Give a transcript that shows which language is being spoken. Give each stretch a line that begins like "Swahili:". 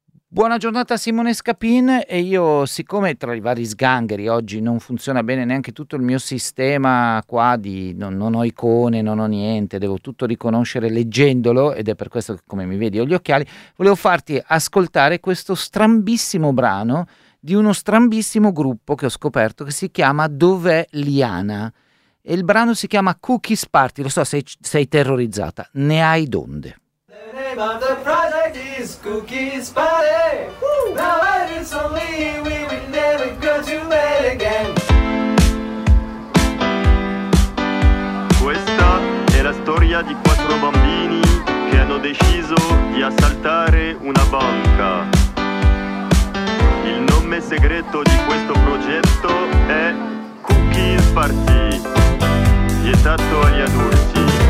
Italian: Buona giornata Simone Scapin. E io, siccome tra i vari sgangheri oggi non funziona bene neanche tutto il mio sistema qua, non ho icone, non ho niente, devo tutto riconoscere leggendolo, ed è per questo che, come mi vedi, ho gli occhiali, volevo farti ascoltare questo strambissimo brano di uno strambissimo gruppo che ho scoperto, che si chiama Dov'è Liana, e il brano si chiama Cookies Party. Lo so, sei terrorizzata, ne hai d'onde.
English: The name of the project is Cookies Party. Woo! Now that it's only we will never go to bed again.
Italian: Questa è la storia di quattro bambini che hanno deciso di assaltare una banca. Il nome segreto di questo progetto è Cookies Party, vietato agli adulti.